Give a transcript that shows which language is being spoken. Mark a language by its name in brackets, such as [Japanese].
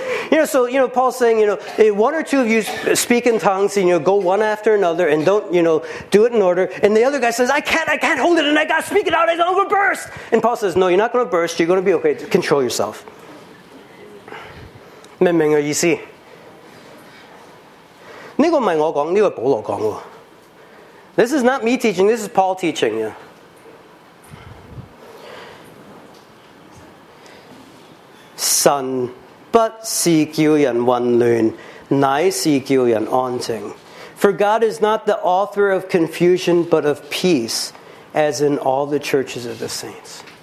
[English] You know, so you know, Paul's saying, you know, if one or two of you speak in tongues, and you know, go one after another, and don't, you know, do it in order. And the other guy says, I can't hold it, and I gotta speak it out, I'm gonna burst. And Paul says, no, you're not gonna burst. You're gonna be okay. Control yourself. [Chinese] 明白我意思？这个不是我讲，这个保罗讲。This [English] is not me teaching, this is Paul teaching. [Chinese] 神不是叫人混乱，乃是叫人安静. [English] For God is not the author of confusion, but of peace, as in all the churches of the saints.